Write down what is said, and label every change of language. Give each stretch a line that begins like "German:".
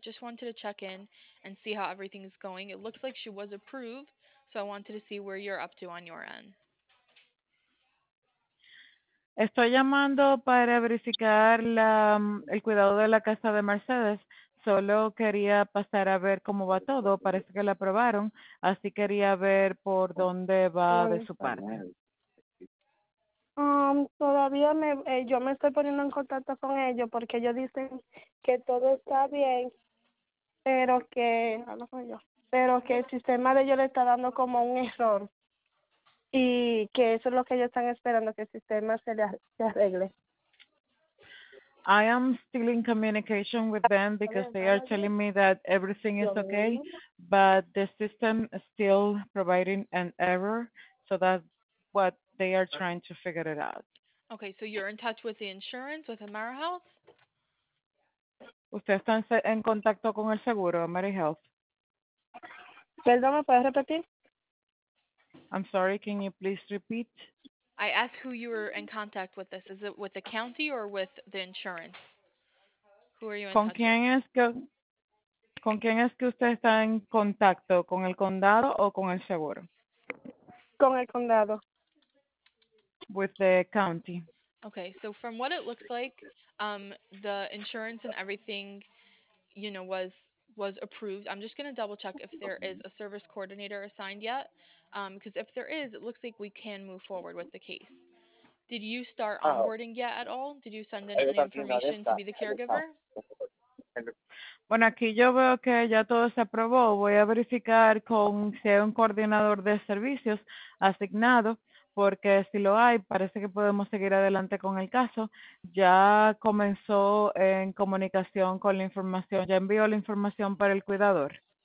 English: Just wanted to check in and see how everything is going. It looks like she was approved, so I wanted to see where you're up to on your end.
Spanish: Estoy llamando para verificar el cuidado de la casa de Mercedes. Solo quería pasar a ver cómo va todo. Parece que la aprobaron, así quería ver por dónde va de su parte. Todavía yo me estoy poniendo en contacto con ellos porque ellos dicen que todo está bien, pero que hablo con ellos, pero que el sistema de ellos le está dando como un error y que eso es lo que ellos están esperando, que el sistema se arregle.
English: I am still in communication with them because they are telling me that everything is okay, but the system is still providing an error. So that's what they are trying to figure it out. Okay, so you're in touch with the insurance, with AmeriHealth?
Spanish: ¿Usted está en contacto con el seguro, AmeriHealth? Perdón, ¿me puedes repetir?
English: I'm sorry, can you please repeat? I asked who you were in contact with this. Is it with the county or with the insurance? Who are you in touch with?
Spanish: Con quién es que usted está en contacto? ¿Con el condado o con el seguro? Con el condado.
English: With the county. Okay, so from what it looks like, the insurance and everything, was approved. I'm just gonna double check if there is a service coordinator assigned yet. Because if there is, it looks like we can move forward with the case. Did you start onboarding yet at all? Did you send in any information to be the caregiver?
Spanish: Bueno, aquí yo veo que ya todo se aprobó. Voy a verificar con si hay un coordinador de servicios asignado, porque si lo hay, parece que podemos seguir adelante con el caso. Ya comenzó en comunicación con la información, ya envió la información para el cuidador.